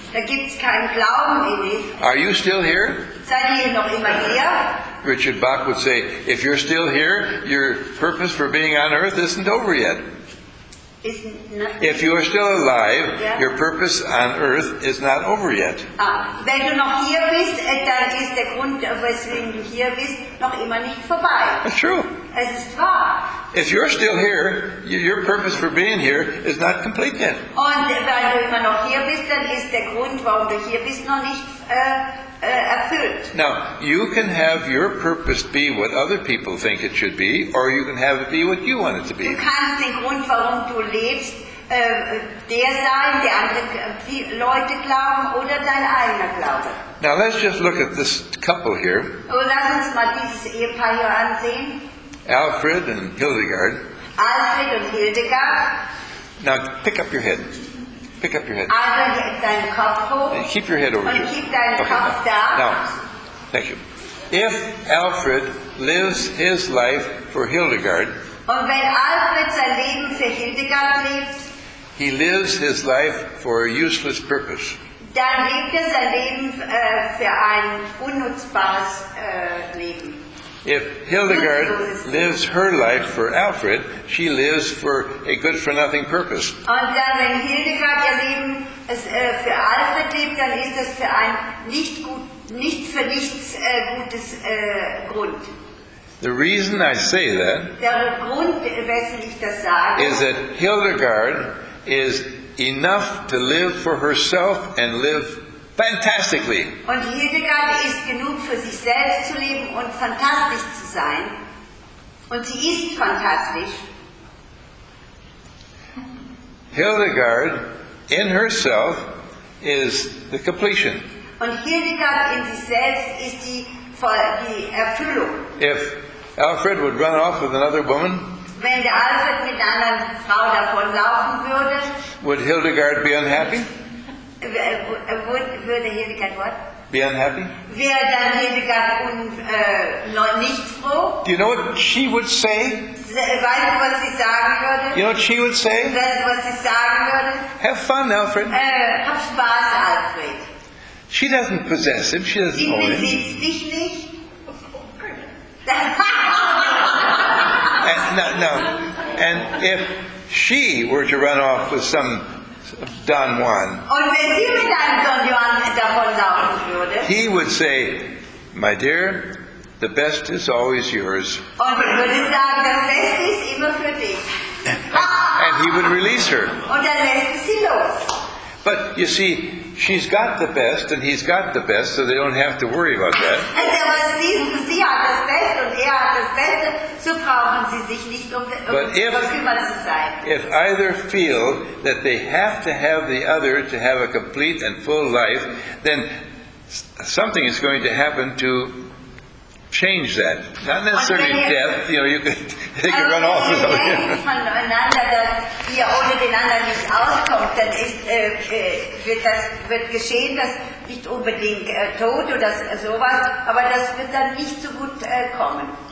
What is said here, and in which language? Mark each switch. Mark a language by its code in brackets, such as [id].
[de] Da gibt's keinen Glauben [en] in it. Are you still here? [de] Seid ihr noch immer hier? [en] Richard Bach would say, if you're still here, your purpose for being on earth isn't over yet. If you are still alive, yeah, your purpose on earth is not over yet. [de] Ah, wenn du noch hier bist, dann ist der Grund, weswegen du hier bist, noch immer nicht vorbei. [en] That's true. [de] Es ist wahr. [en] If you're still here, your purpose for being here is not complete yet. [de] Und wenn du immer noch hier bist, dann ist der Grund, warum du hier bist, noch nicht erfüllt. [en] Now, you can have your purpose be what other people think it should be, or you can have it be what you want it to be. [de] Du kannst den Grund, warum du lebst, der sein, der andere Leute glauben, oder dein eigener Glaube. [en] Now, let's just look at this couple here. [de] Oh, lass uns mal dieses Ehepaar hier ansehen. [en] Alfred and Hildegard. [de] Alfred und Hildegard. [en] Now pick up your head. Pick up your head. [de] Alfred, dein Kopf hoch. [en] And keep your head over [de] und [en] here. Keep [de] deinen [en] okay, [de] Kopf da. [en] Now, thank you. If Alfred lives his life for Hildegard. [de] Und wenn Alfred sein Leben für Hildegard lebt. [en] He lives his life for a useless purpose. [de] Dann lebt er sein Leben für ein unnutzbares Leben. [en] If Hildegard lives her life for Alfred, she lives for a good for nothing purpose. [de] Und dann, wenn Hildegard ihr Leben für Alfred lebt, dann ist das für ein nicht gut, nicht für nichts gutes Grund. [en] The reason I say that [de] der Grund, weswegen ich das sage, [en] is that Hildegard is enough to live for herself and live fantastically. [de] Und Hildegard ist genug für sich selbst zu leben und fantastisch zu sein. Und sie ist fantastisch. [en] Hildegard in herself is the completion. [de] Und Hildegard in sich selbst ist die Erfüllung. [en] If Alfred would run off with another woman, [de] wenn der Alfred mit einer anderen Frau davonlaufen würde, [en] would Hildegard be unhappy? [de] Würde Hildegard [en] what? Be unhappy? [de] Wäre dann Hildegard nicht froh? [en] Do you know what she would say? [de] Weißt du, was sie sagen würde? [en] You know what she would say? [de] Weißt du, was sie sagen würde? [en] Have fun, Alfred. [de] Hab Spaß, Alfred. [en] She doesn't possess him. She doesn't own him. [de] Sie besitzt dich nicht. [en] And, no. And if she were to run off with some Don Juan. [de] Und wenn sie mit einem Don Juan davonlaufen würde, [en] he would say, my dear, the best is always yours. [de] Und würde sagen, das Beste ist immer für dich. [en] And he would release her. [de] Und dann lässt sie los. [en] But you see, she's got the best and he's got the best, so they don't have to worry about that. [de] Also, sie hat das Beste und er hat das Beste, so brauchen sie sich nicht kümmern zu sein. [en] If either feel that they have to have the other to have a complete and full life, then something is going to happen to change that. Not necessarily death, you know, they could run off with something. [de] Ohne den anderen nicht auskommt, dann wird geschehen, dass nicht unbedingt Tod oder sowas, aber das wird dann nicht so gut kommen.